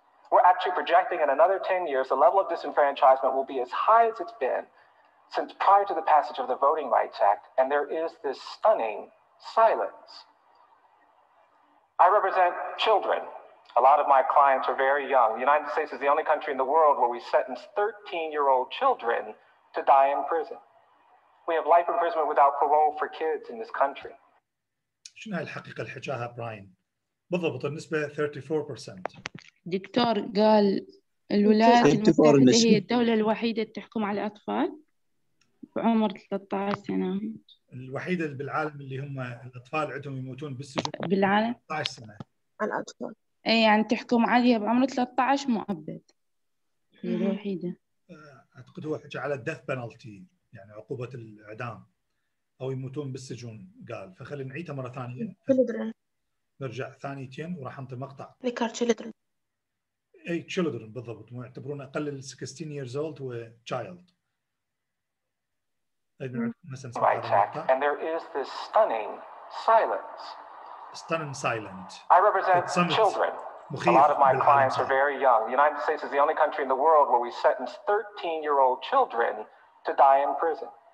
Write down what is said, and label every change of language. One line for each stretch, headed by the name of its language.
English: We're actually projecting in another 10 years, the level of disenfranchisement will be as high as it's been since prior to the passage of the Voting Rights Act, and there is this stunning silence. I represent children. A lot of my clients are very young. The United States is the only country in the world where we sentence 13-year-old children to die in prison. We have life imprisonment without parole for kids in this country.
Arabic: شنو هاي الحقيقة اللي حكاها براين؟ بالضبط النسبة 34%. دكتور قال الولايات المتحدة هي الدولة الوحيدة تحكم على الأطفال بعمر 13 سنة. الوحيدة بالعالم اللي هم الأطفال عندهم يموتون بالسجن. بالعالم. 13 سنة. الأطفال. أي يعني تحكم عليها بعمر 13 مؤبد. الوحيدة. أعتقد هو حكى على الدث بنالتي. يعني عقوبة الإعدام أو يموتون بالسجون قال فخلي نعيدها مرة ثانية نرجع ثانيتين وراح انطي مقطع. ذكر children. اي children بالضبط، ما يعتبرون اقل
English: 16 years old
Arabic: و child.
English: Right. And there is this stunning silence. Stunning silent. I represent children. A lot of my clients are very young. The United States is the only country in the world where we sentence 13-year-old children to die in prison.